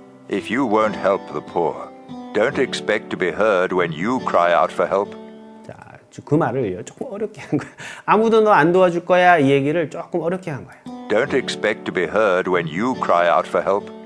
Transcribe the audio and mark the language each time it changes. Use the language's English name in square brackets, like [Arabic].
[English] If you won't help the poor, don't expect to be heard when you cry out for help. [Korean] 자, 그 말을 조금 어렵게 한 거야. 아무도 너 안 도와줄 거야 이 얘기를 조금 어렵게 한 거야. [English] Don't expect to be heard when you cry out for help.